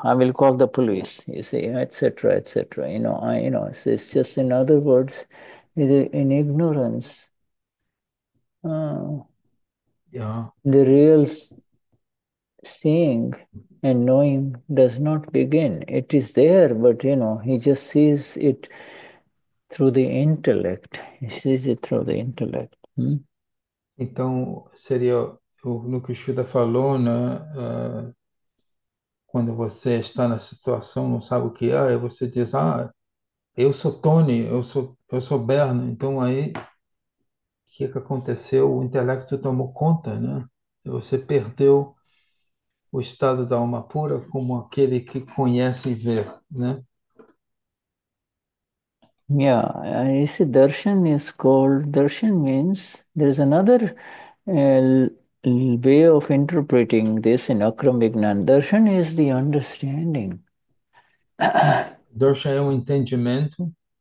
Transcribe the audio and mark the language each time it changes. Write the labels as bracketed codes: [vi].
[en] I will call the police," you see, etc., etc. It's just, in other words, in ignorance, the real seeing and knowing does not begin. It is there, but he just sees it through the intellect. He sees it through the intellect. [pt] Então, seria no que o Shuda falou, né? Quando você está na situação, não sabe o que é, você diz, ah, eu sou Tony, eu sou Berno. Então, aí, o que que aconteceu? O intelecto tomou conta, né? Você perdeu o estado da alma pura como aquele que conhece e vê, né? Esse [en] darshan is called darshan means there is another way of interpreting this in Akram Vignan. Darshan is the understanding. [pt] Darshan é um entendimento.